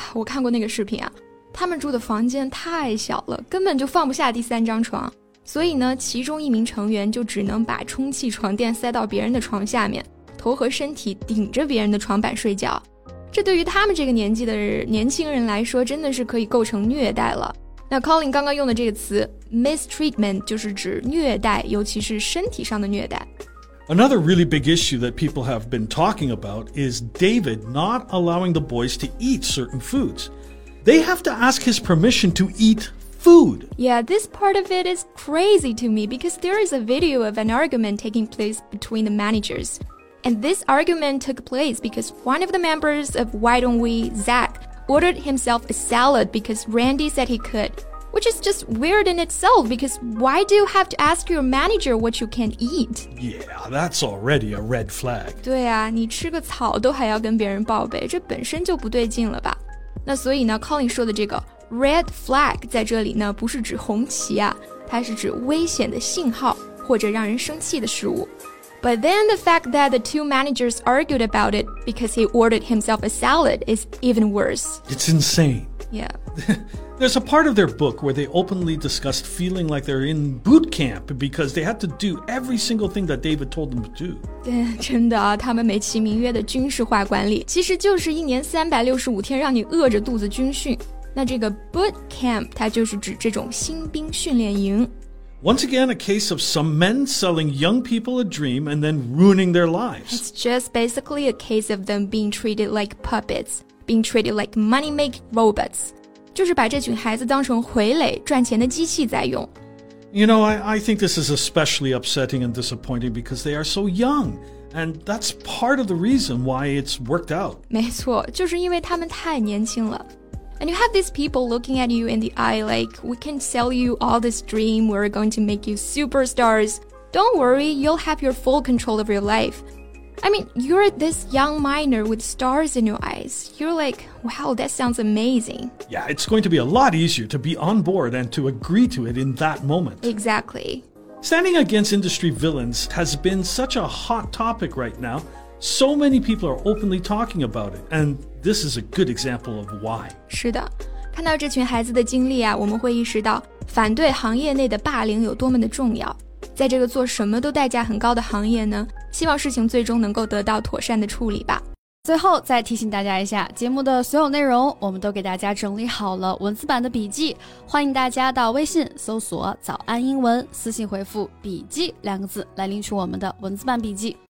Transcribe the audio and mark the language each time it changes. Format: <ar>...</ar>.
<zh>我看过那个视频啊，他们住的房间太小了，根本就放不下第三张床。所以呢，其中一名成员就只能把充气床垫塞到别人的床下面，头和身体顶着别人的床板睡觉。这对于他们这个年纪的年轻人来说，真的是可以构成虐待了。那 Colin 刚刚用的这个词 mistreatment 就是指虐待，尤其是身体上的虐待。</zh> <en>Another really big issue that people have been talking about is David not allowing the boys to eat certain foods. They have to ask his permission to eat food. Yeah, this part of it is crazy to me because there is a video of an argument taking place between the managers. And this argument took place because one of the members of Why Don't We, Zach, ordered himself a salad because Randy said he could. Which is just weird in itself because why do you have to ask your manager what you can eat? Yeah, that's already a red flag.</en> <zh>对啊，你吃个草都还要跟别人报备，这本身就不对劲了吧。那所以呢 ,Colin 说的这个Red flag 在这里呢不是指红旗啊，它是指危险的信号或者让人生气的事物。</zh> <en>But then the fact that the two managers argued about it because he ordered himself a salad is even worse. It's insane. Yeah. There's a part of their book where they openly discussed feeling like they're in boot camp because they had to do every single thing that David told them to do.</en> <zh>真的啊，他们美其名曰的军事化管理，其实就是一年365天让你饿着肚子军训。那这个 boot camp 它就是指这种新兵训练营。</zh> <en>Once again, a case of some men selling young people a dream and then ruining their lives. It's just basically a case of them being treated like puppets, being treated like money-making robots.</en> <zh>就是把这群孩子当成傀儡，赚钱的机器在用。</zh> <en>You know, I think this is especially upsetting and disappointing because they are so young. And that's part of the reason why it's worked out.</en> <zh>没错，就是因为他们太年轻了。</zh> <en>And you have these people looking at you in the eye like, we can sell you all this dream, we're going to make you superstars. Don't worry, you'll have your full control of your life. I mean, you're this young minor with stars in your eyes. You're like, wow, that sounds amazing. Yeah, it's going to be a lot easier to be on board and to agree to it in that moment. Exactly. Standing against industry villains has been such a hot topic right now. So many people are openly talking about it, and... This is a good example of why.</en> <zh>是的，看到这群孩子的经历啊，我们会意识到反对行业内的霸凌有多么的重要。在这个做什么都代价很高的行业呢，希望事情最终能够得到妥善的处理吧。最后再提醒大家一下，节目的所有内容我们都给大家整理好了文字版的笔记，欢迎大家到微信搜索早安英文，私信回复笔记两个字来领取我们的文字版笔记。</zh>